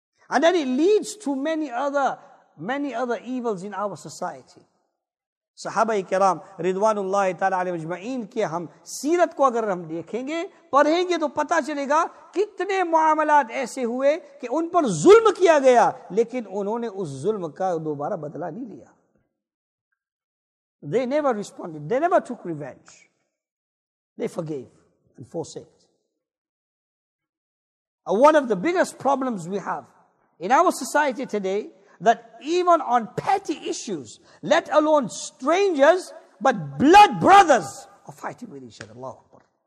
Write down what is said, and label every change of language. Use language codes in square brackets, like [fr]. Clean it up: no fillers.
[en] And then it leads to many other evils in our society. [ur] صحابہ کرام رضوان اللہ تعالیٰ علیہ اجمعین کے ہم سیرت کو اگر ہم دیکھیں گے, پڑھیں گے تو پتہ چلے گا کتنے معاملات ایسے ہوئے کہ ان پر ظلم کیا گیا لیکن انہوں نے اس ظلم کا دوبارہ بدلہ نہیں لیا. [en] They never responded, they never took revenge, they forgave and forsake. One of the biggest problems we have in our society today, that even on petty issues, let alone strangers, but blood brothers are fighting with each other. Allahu Akbar.